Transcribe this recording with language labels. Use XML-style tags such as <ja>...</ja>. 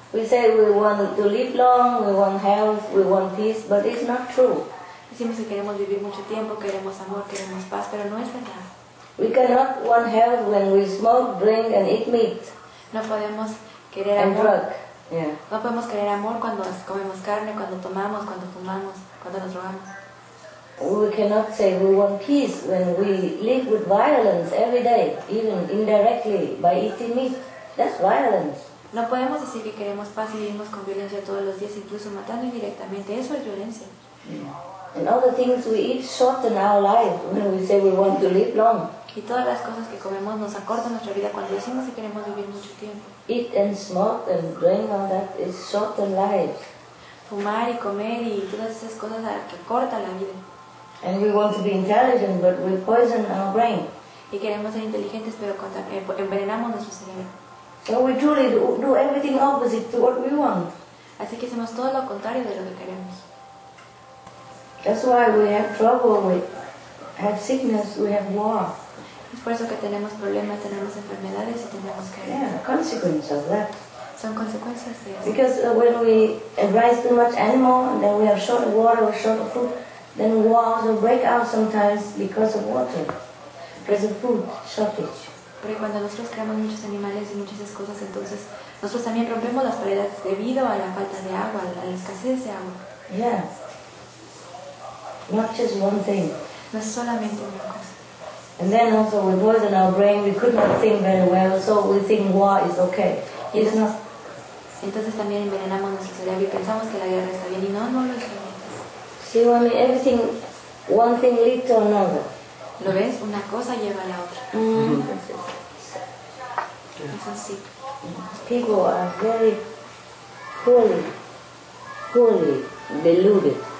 <en>We say we want to live long, we want health, we want peace, but it's not true.</en> <es>Decimos que queremos vivir mucho tiempo, queremos amor, queremos paz, pero no es verdad.</es> <en>We cannot want health when we smoke, drink, and eat meat.</en> <es>No podemos querer amor.</es> <en>Drug.</en> <es>No podemos querer amor cuando comemos carne, cuando tomamos, cuando fumamos, cuando nos drogamos.</es> <en>We cannot say we want peace when we live with violence every day, even indirectly by eating meat. That's violence.</en> <es>No podemos decir que queremos paz y vivimos con violencia todos los días, incluso matando indirectamente. Eso es violencia.</es> <en>And all the things we eat shorten our life when we say we want to live long.</en> <es>Y todas las cosas que comemos nos acortan nuestra vida cuando decimos que queremos vivir mucho tiempo.</es> <en>Eat and smoke and drink all that is shorten life.</en> <es>Fumar y comer y todas esas cosas que acortan la vida.</es> <en>And we want to be intelligent, but we poison our brain.</en> <es>Y queremos ser inteligentes, pero envenenamos nuestro cerebro.</es> <en>So we truly do everything opposite to what we want.</en> <es>Así que hacemos todo lo contrario de lo que queremos.</es> <en>That's why we have trouble, we have sickness, we have war.</en> <es>Es por eso que tenemos problemas, tenemos enfermedades y tenemos que...</es> <en>Yeah, consequences of that.</en> <es>Son consecuencias de eso.</es> <en>Because when we raise too much animal, then we are short of water, we're short of food, then wars will break out sometimes because of water, because of food shortage.</en> <es>Porque cuando nosotros creamos muchos animales y muchas cosas, entonces nosotros también rompemos las paredes debido a la falta de agua, a la escasez de agua.</es> <en>Yes. Not just one thing.</en> <es>No es solamente una cosa.</es> <en>And then also we poison our brain, we could not think very well, so we think war is okay. It's not.</en> <es>Entonces también envenenamos nuestro cerebro y pensamos que la guerra está bien y no lo es.</es> <en>See what I mean? Everything, one thing lead to another.</en> <es>¿Lo ves? Una cosa lleva a la otra. Es así.</es> <en>People are very poorly, poorly deluded.</en>